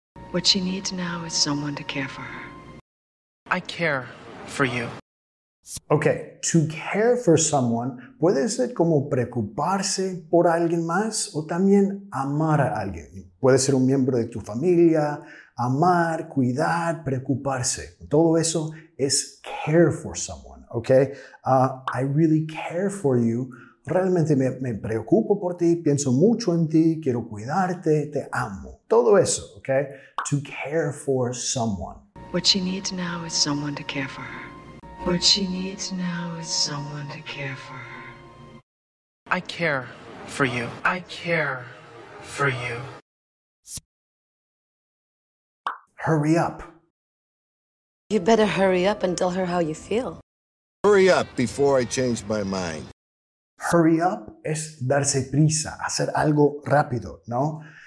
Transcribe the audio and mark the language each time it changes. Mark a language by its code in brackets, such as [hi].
[en] What she needs now is someone to care for her. I care for you. [es] Okay, [en] to care for someone, [es] puede ser como preocuparse por alguien más o también amar a alguien. Puede ser un miembro de tu familia, amar, cuidar, preocuparse. Todo eso es [en] care for someone, [es] okay? [en] I really care for you. [es] Realmente me preocupo por ti, pienso mucho en ti, quiero cuidarte, te amo. Todo eso, okay? [en] To care for someone. What she needs now is someone to care for her. What she needs now is someone to care for her. I care for you. I care for you. Hurry up. You better hurry up and tell her how you feel. Hurry up before I change my mind. Hurry up [es] es darse prisa, hacer algo rápido, ¿no?